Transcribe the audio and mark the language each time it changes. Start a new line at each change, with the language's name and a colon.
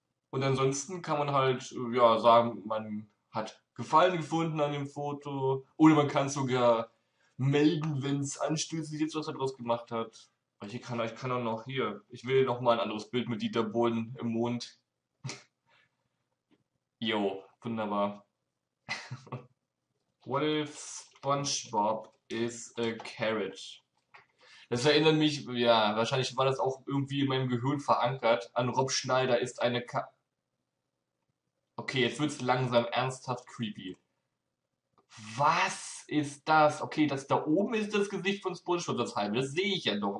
German: Und ansonsten kann man halt ja sagen, man hat Gefallen gefunden an dem Foto. Oder man kann sogar melden, wenn es anstößig ist, was er daraus gemacht hat. Aber ich kann auch noch hier. Ich will noch mal ein anderes Bild mit Dieter Bohlen im Mond. Jo, wunderbar.
English: What if SpongeBob is a carrot?
German: Das erinnert mich, ja, wahrscheinlich war das auch irgendwie in meinem Gehirn verankert, an Rob Schneider ist eine Ka. Okay, jetzt wird es langsam ernsthaft creepy. Was ist das? Okay, das da oben ist das Gesicht von SpongeBob, das halbe, das sehe ich ja doch.